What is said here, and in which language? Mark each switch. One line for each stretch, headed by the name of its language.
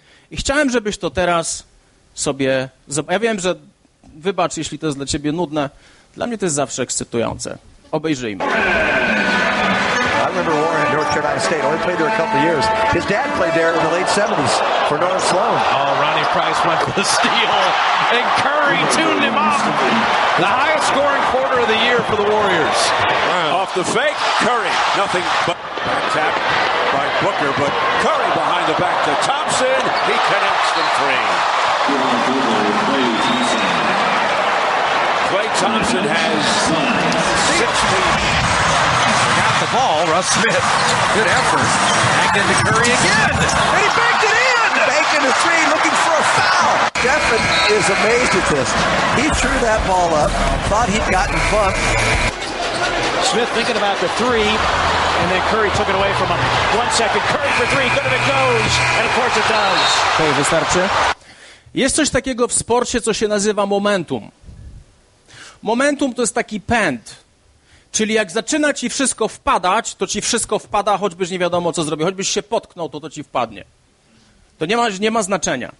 Polish: I chciałem, żebyś to teraz sobie... Ja wiem, że... Wybacz, jeśli to jest dla ciebie nudne. Dla mnie to jest zawsze ekscytujące. Obejrzyjmy.
English: I remember Warren in North Carolina State. Only played there a couple of years. His dad played there in the late 70s for North Sloan. Oh, Ronnie Price went for the steal. And Curry tuned him off. The highest scoring quarter of the year for the Warriors. Wow. Off the fake, Curry. Nothing but tap by Booker, but Curry behind the back to Thompson. He connects the three. Klay Thompson has 16. The ball, Russ Smith. Good effort. Banked into Curry again. And he banked it in. Banking a three, looking for a foul. Stephen is amazed at this. He threw that ball up, thought he'd gotten bumped. Smith thinking about the three, and then Curry took it away from him. 1 second. Curry for three. Good, and it goes. And of course it does.
Polish: Okay, wystarczy. Jest coś takiego w sporcie, co się nazywa momentum. Momentum to jest taki pęd. Czyli jak zaczyna ci wszystko wpadać, to ci wszystko wpada, choćbyś nie wiadomo, co zrobił. Choćbyś się potknął, to ci wpadnie. To nie ma znaczenia.